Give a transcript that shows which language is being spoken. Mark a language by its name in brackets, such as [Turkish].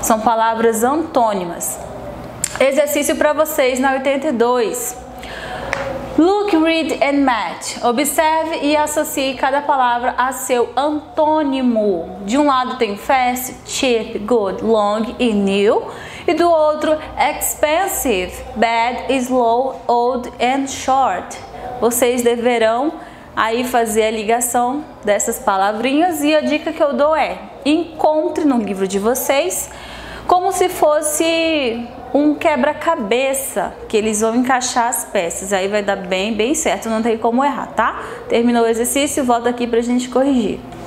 [Portuguese] São palavras antônimas. Exercício para vocês na 82. [English] Look, read and match. [Portuguese] Observe e associe cada palavra a seu antônimo. De um lado tem fast, cheap, good, long e new. E do outro, expensive, bad, slow, old and short. Vocês deverão aí fazer a ligação dessas palavrinhas. E a dica que eu dou é, encontre no livro de vocês como se fosse um quebra-cabeça, que eles vão encaixar as peças. Aí vai dar bem, bem certo, não tem como errar, tá? Terminou o exercício, volto aqui pra gente corrigir.